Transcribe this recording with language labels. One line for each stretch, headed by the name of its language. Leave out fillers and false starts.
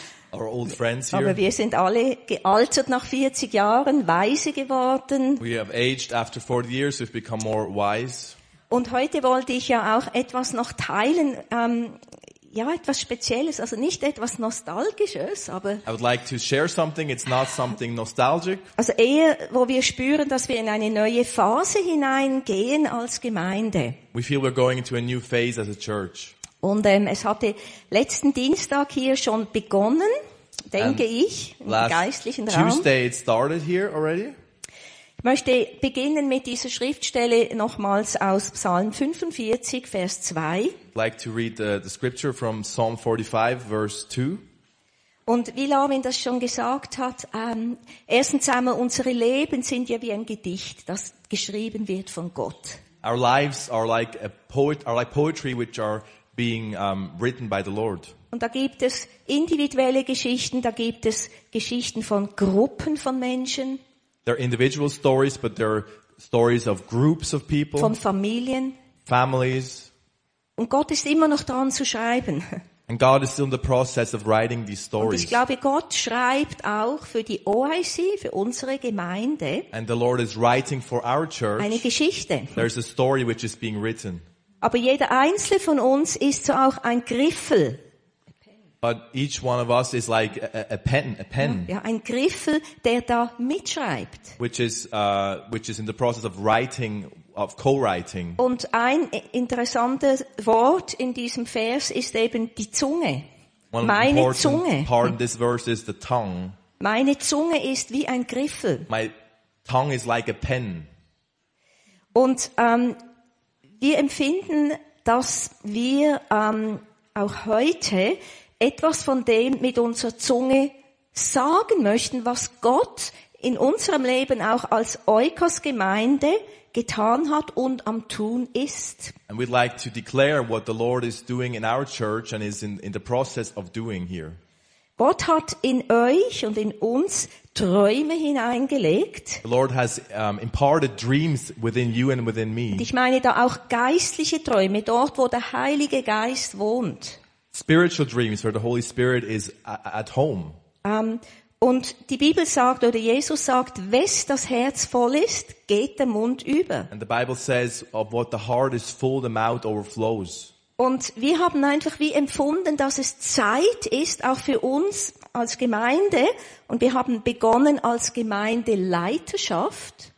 English: Our old friends here.
German: Aber wir sind alle gealtert nach 40 Jahren, weise geworden.
English: We have aged after 40 years, we've become more wise.
German: Und heute wollte ich ja auch etwas noch teilen, etwas Spezielles, also nicht etwas Nostalgisches, aber...
English: I would like to share something, it's not something nostalgic.
German: Also eher, wo wir spüren, dass wir in eine neue Phase hineingehen als Gemeinde.
English: We feel we're going into a new phase as a church.
German: Und es hatte letzten Dienstag hier schon begonnen, denke ich, im geistlichen Raum.
English: Tuesday it started here already.
German: Ich möchte beginnen mit dieser Schriftstelle nochmals aus Psalm 45, Vers 2.
English: I'd like to read the scripture from Psalm 45, verse 2.
German: Und wie Lavin das schon gesagt hat, erstens einmal, unsere Leben sind ja wie ein Gedicht, das geschrieben wird von Gott.
English: Our lives are like a poet, are like poetry which are being written by the Lord.
German: Und da gibt es individuelle Geschichten, da gibt es Geschichten von Gruppen von Menschen.
English: They're individual stories, but they're stories of groups of people.
German: Von Familien.
English: Families.
German: Und Gott ist immer noch dran zu schreiben.
English: And God is still in the process of writing these stories.
German: Und ich glaube, Gott schreibt auch für die OIC, für unsere Gemeinde.
English: And the Lord is writing for our church.
German: Eine Geschichte.
English: There's a story which is being written.
German: Aber jeder einzelne von uns ist so auch ein Griffel.
English: But each one of us is like a pen.
German: Ja, ein Griffel, der da mitschreibt.
English: Which is in the process of writing, of co-writing.
German: Und ein interessantes Wort in diesem Vers ist eben die Zunge.
English: One
German: Meine
English: important
German: Zunge.
English: Part of this verse is the tongue.
German: Meine Zunge ist wie ein Griffel.
English: My tongue is like a pen.
German: Und wir empfinden, dass wir auch heute etwas von dem mit unserer Zunge sagen möchten, was Gott in unserem Leben auch als Oikos-Gemeinde getan hat und am Tun ist.
English: And we'd like to declare what the Lord is doing in our church and is in the process of doing here.
German: Gott hat in euch und in uns Träume hineingelegt.
English: The Lord has imparted dreams within you and within me.
German: Und ich meine da auch geistliche Träume, dort wo der Heilige Geist wohnt.
English: Spiritual dreams where the Holy Spirit is at home.
German: Und die Bibel sagt, oder Jesus sagt, wes das Herz voll ist, geht der Mund über.
English: And the Bible says, of what the heart is full, the mouth overflows.
German: Und wir haben einfach wie empfunden, dass es Zeit ist, auch für uns als Gemeinde, und wir haben begonnen als Gemeindeleiterschaft.